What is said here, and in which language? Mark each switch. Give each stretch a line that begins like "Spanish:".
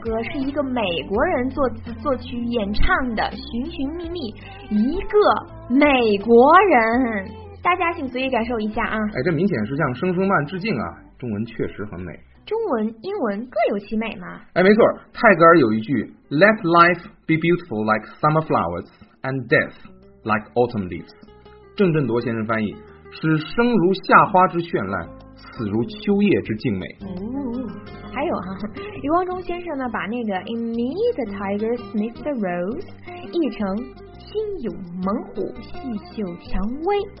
Chinese: 是一个美国人作曲演唱的《寻寻觅觅》，一个美国人，大家请随意感受一下啊！哎，这明显是向声声慢致敬啊！中文确实很美，中文、英文各有其美嘛。哎，没错，泰戈尔有一句
English: ：“Let life be beautiful like summer flowers, and death like autumn leaves。”
Chinese: 郑振铎先生翻译：“使生如夏花之绚烂，死如秋叶之静美。” 还有哈、啊，余光中先生呢，把那个
English: "In me the tiger sniffs the rose"
Chinese: 译成"心有猛虎，细嗅蔷薇"。